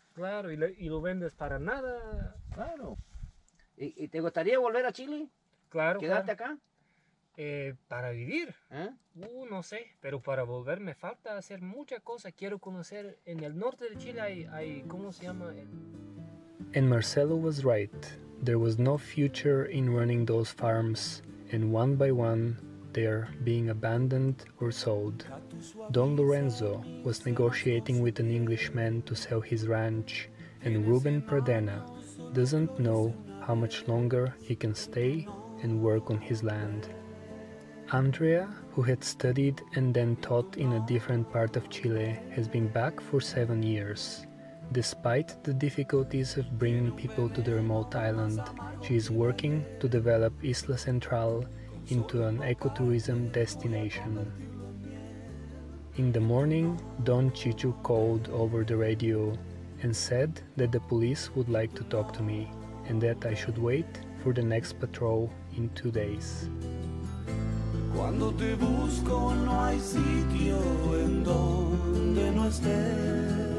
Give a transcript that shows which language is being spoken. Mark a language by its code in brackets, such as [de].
[es] Claro, y lo vendes para nada. Claro. ¿Y te gustaría volver a Chile? Claro. ¿Quedarte claro. acá? Para vivir. ¿Eh? No sé, pero para volver me falta hacer muchas cosas. Quiero conocer, en el norte de Chile hay ¿cómo se llama? [en] And Marcelo was right. There was no future in running those farms, and one by one, they're being abandoned or sold. Don Lorenzo was negotiating with an Englishman to sell his ranch, and Ruben Pradena doesn't know how much longer he can stay and work on his land. Andrea, who had studied and then taught in a different part of Chile, has been back for 7 years. Despite the difficulties of bringing people to the remote island, she is working to develop Isla Central into an ecotourism destination. In the morning, Don Chichu called over the radio and said that the police would like to talk to me, and that I should wait for the next patrol in 2 days. [es] Cuando te busco no hay sitio en donde no estés.